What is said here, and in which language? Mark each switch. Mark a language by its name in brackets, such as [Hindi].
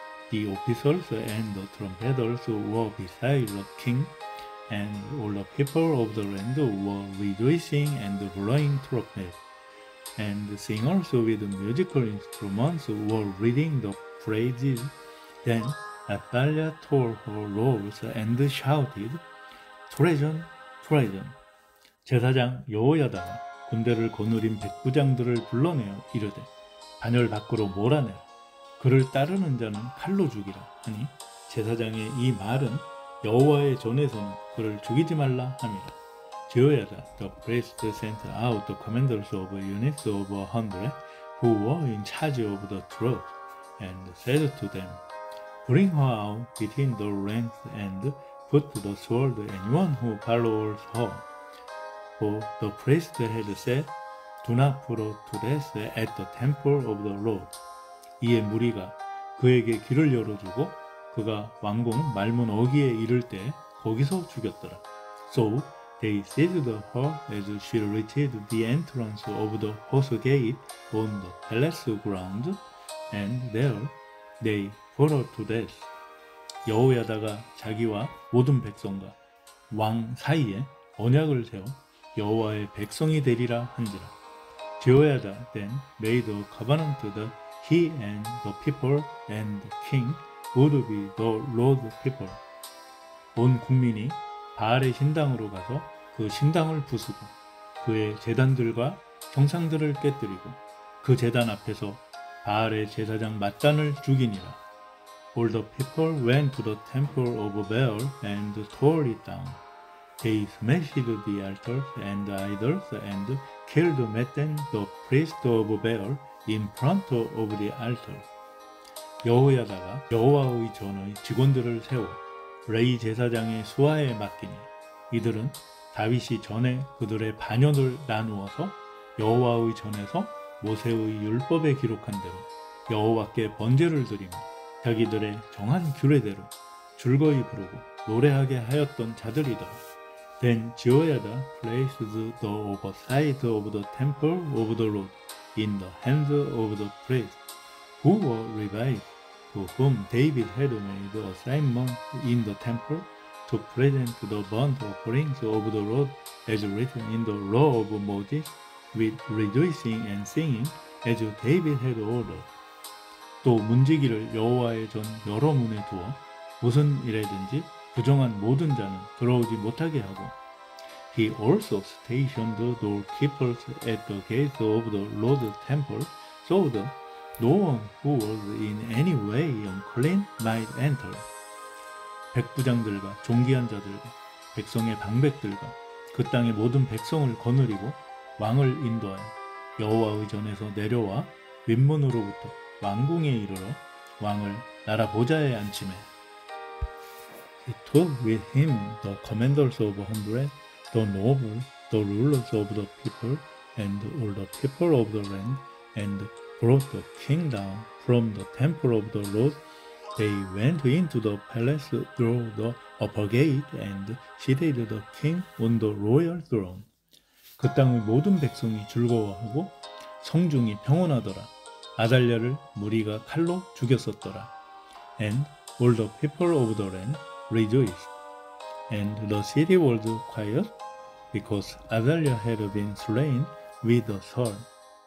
[English] The officers and the trumpeters were beside the king, and all the people of the land were rejoicing and blowing trumpets. And singers with musical instruments were reading the praises. Then Athaliah tore her robes and shouted, Treason! Treason! [Korean] 제사장 여호야다가 군대를 거느린 백부장들을 불러내어 이르되 반열 밖으로 몰아내라. 그를 따르는 자는 칼로 죽이라 하니 제사장의 이 말은 여호와의 전에서는 그를 죽이지 말라 함이라. [English] 제호야다, the priest sent out the commanders of units of a hundred who were in charge of the troops and said to them, Bring her out between the ranks and put the sword anyone who follows her. For the priest had said, Do not put her to death at the temple of the Lord. [Korean] 이에 무리가 그에게 길을 열어주고 그가 왕궁 말문 어귀에 이를 때 거기서 죽였더라. [English] So, They seized her as she reached the entrance of the horse gate on the palace ground, and there they put her to death. [Korean] 여호야다가 자기와 모든 백성과 왕 사이에 언약을 세워 여호와의 백성이 되리라 한지라. [English] Jehoiada then made a covenant that he and the people and the king would be the Lord's people. [Korean] 온 국민이 바알의 신당으로 가서 그 신당을 부수고 그의 제단들과 형상들을 깨뜨리고 그 제단 앞에서 바알의 제사장 맛잔을 죽이니라. [English] All the people went to the temple of Baal and tore it down. They smashed the altars and the idols and killed Matthan, the priest of Baal, in front of the altar. [Korean] 여호야다가 여호와의 전의 직원들을 세워 레이 제사장의 수하에 맡기니 이들은 다윗이 전에 그들의 반역을 나누어서 여호와의 전에서 모세의 율법에 기록한 대로 여호와께 번제를 드리며 자기들의 정한 규례대로 즐거이 부르고 노래하게 하였던 자들이더라. [English] Then Jehoiada placed the oversight of the temple of the Lord in the hands of the priests who were Levites. To whom David had made assignment in the temple to present the burnt offerings of the Lord as written in the law of Moses with rejoicing and singing as David had ordered. [Korean] 또 문지기를 여호와의 전 여러 문에 두어 무슨 일이든지 부정한 모든 자는 들어오지 못하게 하고 [English] He also stationed the doorkeepers at the gates of the Lord's temple so that No one who was in any way unclean might enter. [Korean] 백부장들과 존귀한 자들과 백성의 방백들과 그 땅의 모든 백성을 거느리고 왕을 인도하여 여호와의 전에서 내려와 윗문으로부터 왕궁에 이르러 왕을 나라 보좌에 앉히매. [English] He took with him the commanders of a hundred, the nobles, the rulers of the people, and all the people of the land, and brought the king down from the temple of the Lord. They went into the palace through the upper gate and seated the king on the royal throne. [Korean] 그 땅의 모든 백성이 즐거워하고 성중이 평온하더라. 아달랴를 무리가 칼로 죽였었더라. [English] And all the people of the land rejoiced. And the city was quiet because Athaliah had been slain with a sword.